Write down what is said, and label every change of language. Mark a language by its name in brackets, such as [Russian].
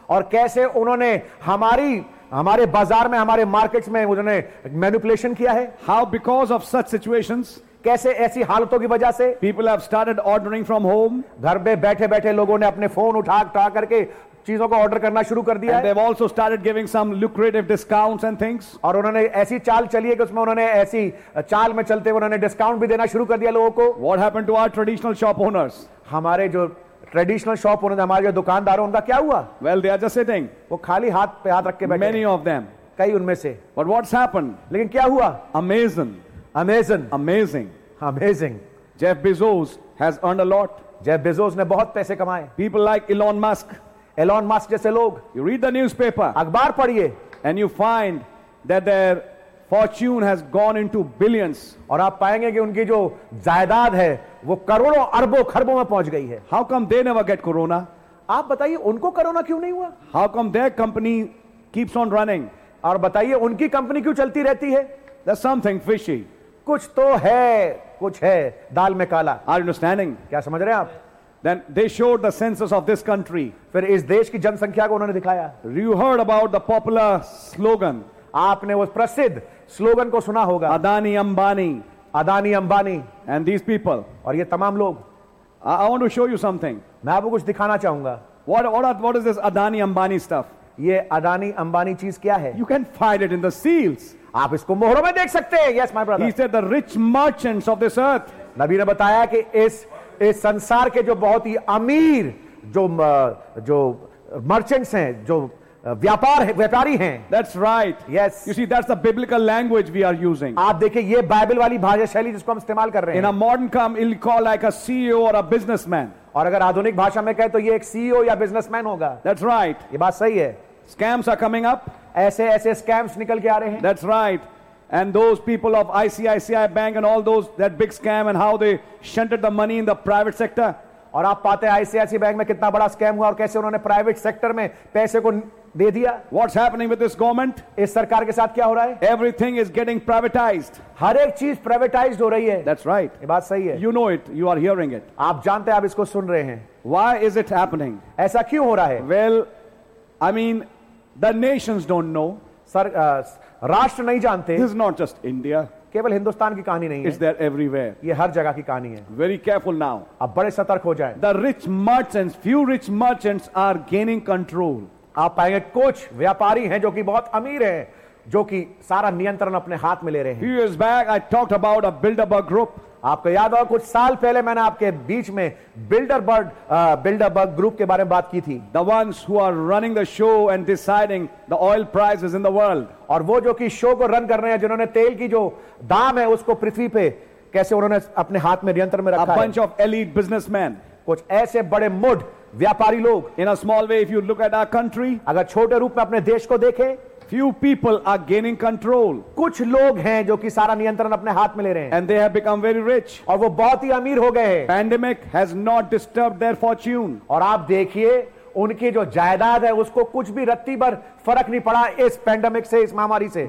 [Hindi] और कैसे उन्होंने हमारे बाजार में हमारे मार्केट्स में उन्होंने मैनिपुलेशन किया है. [English] How because of such situations. [Hindi] कैसे ऐसी हालतों की वजह से [English] People have started ordering from home. [Hindi] घर में बैठे बैठे लोगों ने अपने फोन उठा करके चीजों को ऑर्डर करना शुरू कर दिया. [English] And they've also started giving some lucrative discounts and things. [Hindi] और उन्होंने ऐसी चाल चली है कि उसमें उन्होंने ऐसी चाल में चलते हुए उन्होंने डिस्काउंट भी देना शुरू कर दिया लोगों को. [English] What happened to our traditional shop owners? [Hindi] हमारे जो ट्रेडिशनल शॉप ओनर्स, हमारे जो दुकानदार, उनका क्या हुआ? [English] Well, they are just sitting. [Hindi] वो खाली हाथ पे हाथ रख के बैठे. [English] Many of them. [Hindi] कई उनमें से. [English] But what's happened? [Hindi] लेकिन क्या हुआ? [English] Amazing. Amazing. Amazing. Amazing. Jeff Bezos has earned a lot. [Hindi] Jeff Bezos ने बहुत पैसे कमाए. [English] People like Elon Musk. [Hindi] Elon Musk जैसे लोग. [English] You read the newspaper. [Hindi] अखबार पढ़िए. [English] And you find that their fortune has gone into billions. [Hindi] और आप पाएंगे कि उनकी जो जायदाद है वो करोड़ों अरबों खरबों में पहुंच गई है. [English] How come they never get corona? [Hindi] आप बताइए उनको करोना क्यों नहीं हुआ? [English] How come their company keeps on running? [Hindi] और बताइए उनकी कंपनी क्यों चलती रहती है? [English] There's something fishy. [Hindi] कुछ तो है. कुछ है दाल में काला. [English] Are understanding? [Hindi] क्या समझ रहे हैं आप? [English] Then they showed the census of this country. [Hindi] फिर इस देश की जनसंख्या को उन्होंने दिखाया. [English] You heard about the popular slogan. [Hindi] आपने उस प्रसिद्ध स्लोगन को सुना होगा. [English] Adani Ambani. And these people. [Hindi] और ये तमाम लोग. [English] I want to show you something. [Hindi] मैं आपको कुछ दिखाना चाहूंगा. [English] What is this Adani Ambani stuff? [Hindi] ये अदानी अंबानी चीज क्या है? [English] You can find it in the seals. [Hindi] आप इसको मोहरों में देख सकते हैं. [English] Yes, my brother. He said the rich merchants of this earth. [Hindi] नबी ने बताया कि इस संसार के जो बहुत ही अमीर जो मर्चेंट्स हैं, जो व्यापारी हैं. [English] That's right. Yes. You see, that's the biblical language we are using. [Hindi] आप देखिए, ये बाइबल वाली भाषा शैली जिसको हम इस्तेमाल कर रहे हैं. [English] In a modern term, we'll call like a CEO or a businessman. [Hindi] और अगर आधुनिक भाषा में कहें तो ये एक CEO या बिजनेसमैन होगा. [English] That's right. [Hindi] ये बात सही है. [English] Scams are coming up. [Hindi] ऐसे ऐसे स्कैम्स निकल के आ रहे हैं. [English] That's right. And those people of ICICI Bank and all those, that big scam and how they shunted the money in the private sector. [Hindi] और आप पाते हैं ICICI Bank में कितना बड़ा स्कैम हुआ और कैसे उन्होंने private sector में पैसे को दे दिया. [English] What's happening with this government? [Hindi] इस सरकार के साथ क्या हो रहा है? [English] Everything is getting privatized. [Hindi] हर एक चीज privatized हो रही है. [English] That's right. [Hindi] ये बात सही है. [English] You know it. You are hearing it. [Hindi] आप जानते हैं, आप इसको सुन रहे हैं. [English] Why is it happening? [Hindi] ऐसा क्यों हो रहा है? [English] Well, I mean, the nations don't know. [Hindi] Sir, राष्ट्र नहीं जानते. [English] This is not just India. [Hindi] केवल हिंदुस्तान की कहानी नहीं [English] है. It's there everywhere. [Hindi] ये हर जगह की कहानी है. [English] Very careful now. [Hindi] अब बड़े सतर्क हो जाएं. [English] The rich merchants, few rich merchants are gaining control. [Hindi] आप पाएंगे कुछ व्यापारी हैं जो कि बहुत अमीर हैं, जो कि सारा नियंत्रण अपने हाथ में ले रहे हैं. [English] Few years back, I talked about a Bilderberg group. [Hindi] आपको याद होगा कुछ साल पहले मैंने आपके बीच में Bilderberg ग्रुप के बारे में बात की थी. [English] The ones who are running the show and deciding the oil prices in the world. [Hindi] और वो जो कि शो को रन कर रहे हैं, जिन्होंने तेल की जो दाम है उसको पृथ्वी पे कैसे उन्होंने अपने हाथ में नियंत्रण में रखा. [English] A bunch of elite businessmen. [Hindi] कुछ ऐसे बड़े मुढ़ व्यापारी लोग. [English] In a small way, if you look at our country, [Hindi] अगर छोटे रूप में अपने देश को देखें, [English] few people are gaining control. [Hindi] कुछ लोग हैं जो कि सारा नियंत्रण अपने हाथ में ले रहे हैं. [English] And they have become very rich. [Hindi] और वो बहुत ही अमीर हो गए हैं. [English] Pandemic has not disturbed their fortune. [Hindi] और आप देखिए, उनकी जो जायदाद है उसको कुछ भी रत्ती भर फर्क नहीं पड़ा इस पेंडेमिक से, इस महामारी से.